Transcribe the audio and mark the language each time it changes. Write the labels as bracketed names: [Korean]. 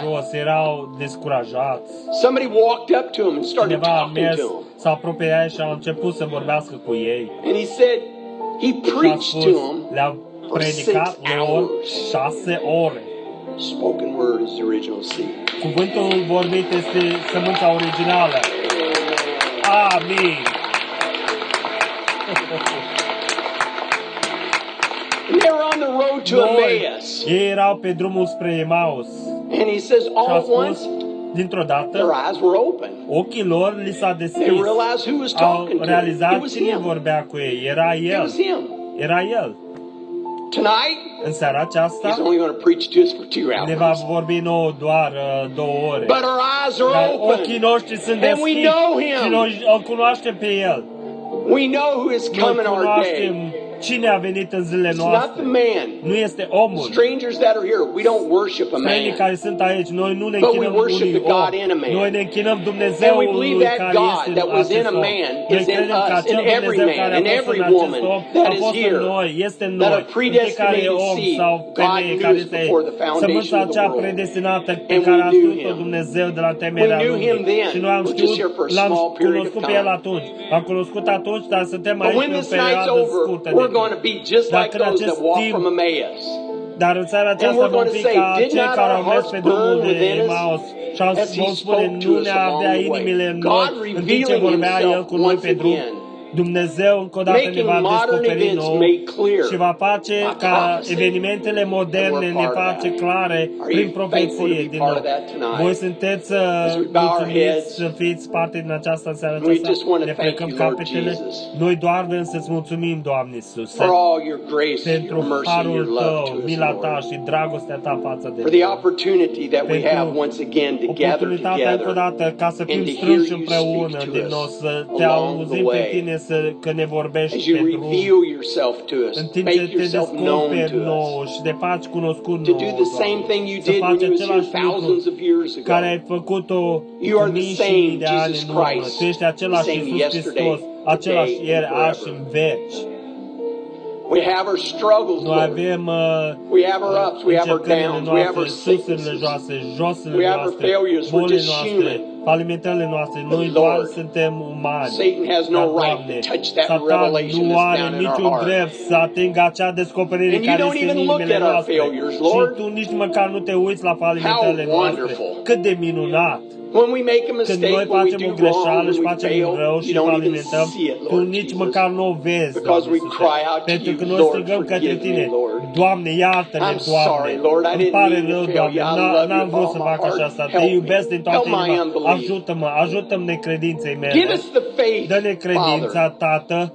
[Romanian] Erau jos, erau descurajați. [English] Somebody walked up to him and started talking to him. [Romanian] S-a apropiat și a început să vorbească cu ei. [English] And he said, he preached to him. [Romanian] Le-a predicat lor 6 ore. [English] Spoken word is the original seed. [Romanian] Cuvântul vorbit este sămânța originală. Amin. Noi, ei erau pe drumul spre Emmaus. [English] And he says, all at once, [Romanian] dintr-o dată, [English] their eyes were open. [Romanian] Ochii lor li s-a deschis. [English] They realized who was talking to them. [Romanian] Au realizat cine vorbea cu ei. Era el. [English] It was him. [Romanian] Era el. [English] Tonight, [Romanian] în seara aceasta, [English] he's only going to preach to us for 2 hours. [Romanian] Ne va vorbi nouă doar 2 ore. [English] But our eyes are open. [Romanian] Ochii noștri sunt deschiși. [English] And we know him. [Romanian] Și noi îl cunoaștem pe el. [English] We know who is coming our day. [Romanian] Cine a venit în zilele noastre? Nu este omul. [English] Strangers that are here, we don't worship a man. [Romanian] Străinii care sunt aici, noi nu ne închinăm unui om. Noi ne închinăm Dumnezeului care este în acest om. [English] And we believe that God that was in a man is in us, in every man, in every woman that is here. [Romanian] Noi, este în noi. Fiecare om sau femeie care este aici. Sămânța aceea predestinată pe care a ținut-o Dumnezeu de la temerea lumii. Și noi am știut, l-am cunoscut pe el atunci. L-am cunoscut atunci, dar suntem aici în perioadă scurtă. [English] We're going to be just like those that walk from Emmaus. [Romanian] Dar în seara aceasta vom fi ca cei care au mers pe drumul de Emmaus și au spus, nu ne avea inimile în noi în timp ce vorbea El cu noi pe drum. Dumnezeu încă o dată ne va descoperi nou și va face ca evenimentele moderne ne face clare prin profeție din nou. Voi sunteți mulțumiți să fiți parte din această seară aceasta. Ne plecăm capetele. Noi doar vrem să-ți mulțumim, Doamne Iisuse, pentru harul Tău, mila Ta și dragostea Ta față de noi. Pentru oportunitatea încă o dată ca să fim strânși împreună din nou, să te auzim pe tine că ne vorbești pe drum, în timp ce te descoperi nou și te faci cunoscut nou, să faci același lucru care ai făcut-o cu mii și mii de ani în urmă. Tu ești același Iisus Hristos, același ieri, azi și în veci. [English] We have our struggles. [Romanian] Noi avem, [English] we have our ups, we have our downs, [Romanian] noastre, [English] we have our [Romanian] susurile joase, josurile [English] we [Romanian] noastre, bolile noastre, falimentele noastre. Noi doar suntem umani. [English] Satan has no right to touch that revelation that's down in our heart. [Romanian] Satan nu are niciun drept să atingă acea descoperire care este în inimile noastre. Și tu nici măcar nu te uiți la falimentele noastre. Cât de minunat! [English] When we make a mistake, [Romanian] când noi facem o greșeală și facem un rău și falimentăm, tu nici măcar nu o vezi, Doamne, pentru că noi strigăm către Tine, Doamne, iartă-ne, Doamne, îmi pare rău, Doamne, n-am vrut să fac așa asta, Te iubesc din toată inima, ajută-mă, ajută-mi necredinței mele, dă-ne credința, Tată.